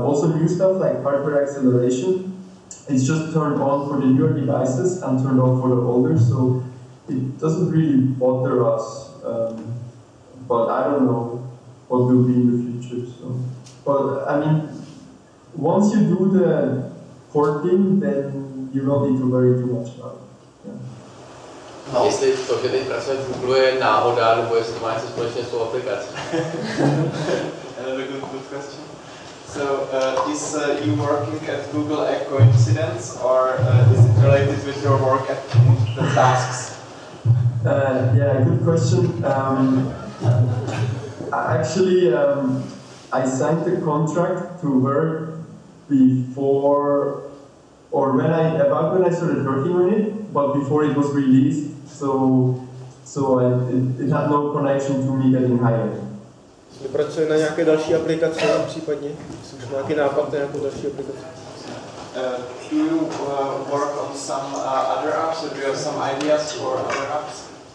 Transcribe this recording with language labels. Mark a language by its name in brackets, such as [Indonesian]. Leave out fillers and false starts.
[English] Also new stuff like hardware acceleration, it's just turned on for the newer devices and turned off for the older, so it doesn't really bother us. But I don't know what will be in the future. So, but I mean, once you do the porting, then you don't need to worry too much about it. Yeah. [Czech] Jestli to, že teď pracuje v Google, je náhoda, nebo jestli to má něco společně s tou aplikací? [English] Another good question. So, is you working at Google a coincidence, or is it related with your work at the tasks? Yeah, good question. Actually, I signed the contract to work before, or when I about when I started working on it, but before it was released. So it had no connection to me getting hired. [Czech] Pracuje na nějaké další aplikaci, případně nějaký nápad na nějakou další aplikaci. [English] Do you work on some other apps, or do you have some ideas for other apps?